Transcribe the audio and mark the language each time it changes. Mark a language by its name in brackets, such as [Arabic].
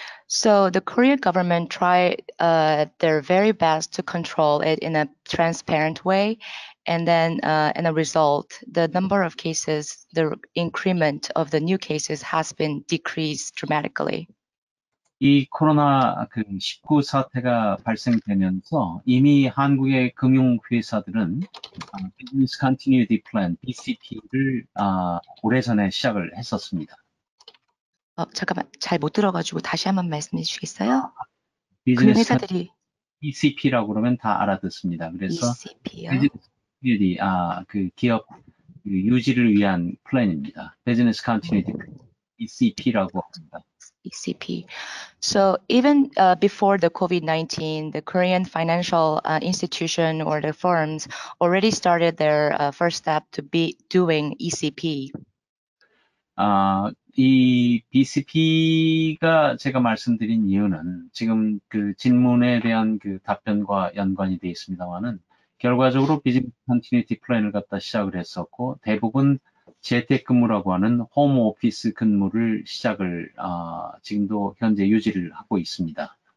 [English] So the Korean government tried their very best to control it in a transparent way, and then in a result, the number of cases, the increment of the new cases has been decreased dramatically. [Korean] 이 코로나 그 19 사태가 발생되면서 이미 한국의 금융회사들은 Business Continuity Plan, BCP를 오래전에 시작을 했었습니다. 잠깐만, 잘 못 들어가지고 다시 한번 말씀해 주시겠어요? 금융회사들이 BCP라고 그러면 다 알아듣습니다. 그래서 BCP요? Business Continuity, 그 기업 유지를 위한 플랜입니다. Business Continuity Plan, BCP라고 합니다. [English] ECP. So even before the COVID-19, the Korean financial institution or the firms already started their first step to be doing ECP. [Korean] 이 BCP가 제가 말씀드린 이유는 지금 그 질문에 대한 그 답변과 연관이 되어 있습니다만은 결과적으로 비즈니스 컨티뉴티 플랜을 갖다 시작을 했었고 대부분 재택근무라고 하는 홈오피스 근무를 시작을 지금도 현재 유지를 하고 있습니다.